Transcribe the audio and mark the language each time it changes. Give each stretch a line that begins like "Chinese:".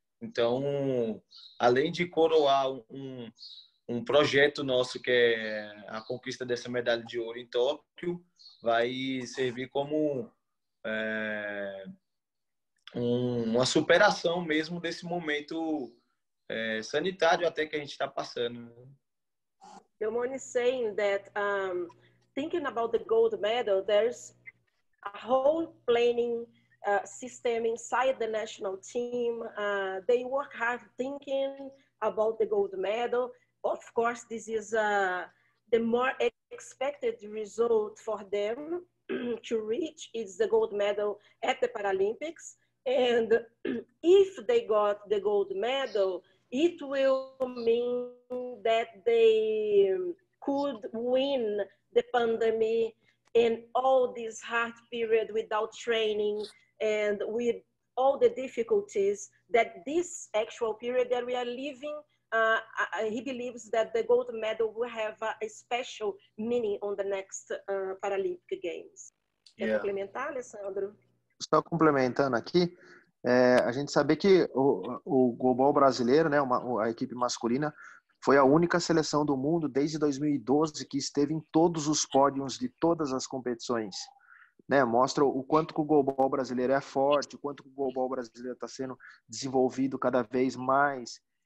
Portuguese: Então, além de coroar um projeto nosso, que é a conquista dessa medalha de ouro em Tóquio, vai servir como uma superação mesmo desse momento sanitário até que a gente está passando.
English: Eu only saying that thinking about the gold medal, there's a whole planning system inside the national team. They work hard thinking about the gold medal. Of course, this is the more expected result for them to reach is the gold medal at the Paralympics. And if they got the gold medal, it will mean that they could win the pandemic in all this hard period without training and with all the difficulties that this actual period that we are living. He believes that the gold medal will have a special meaning on the next Paralympic Games.
Portuguese: Quer complementar, Alessandro? Só complementando aqui, a gente saber que o golbol brasileiro, né, a equipe masculina, foi a única seleção do mundo desde 2012 que esteve em todos os pódios de todas as competições. Né, mostra o quanto que o golbol brasileiro é forte, o quanto que o golbol brasileiro está sendo desenvolvido cada vez mais.